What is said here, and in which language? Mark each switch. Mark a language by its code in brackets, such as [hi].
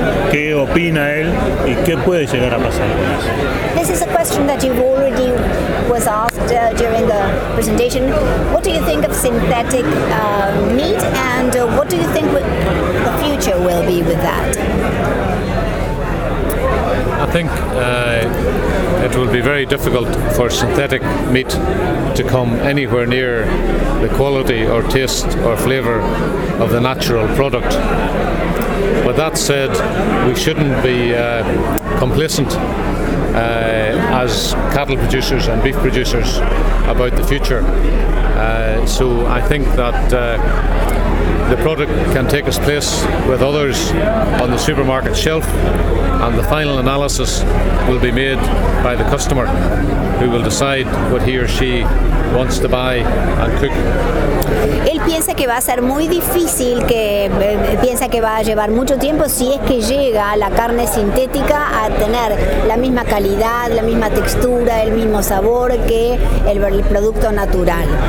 [es] ¿Qué opina él y qué puede llegar a pasar con eso? [en] This is a question that you've already was asked during the presentation. What do you think of synthetic meat, and what do you think the future will be with that? I think it will be very difficult for synthetic meat to come anywhere near the quality or taste or flavor of the natural product. With that said, we shouldn't be complacent as cattle producers and beef producers about the future. So I think that the product can take its place with others on the supermarket shelf, and the final analysis will be made by the customer, who will decide what he or she wants to buy and cook. [es] Él piensa que va a ser muy difícil, que piensa que va a llevar mucho tiempo si es que llega la carne sintética a tener la misma calidad, la misma textura, el mismo sabor que el producto natural.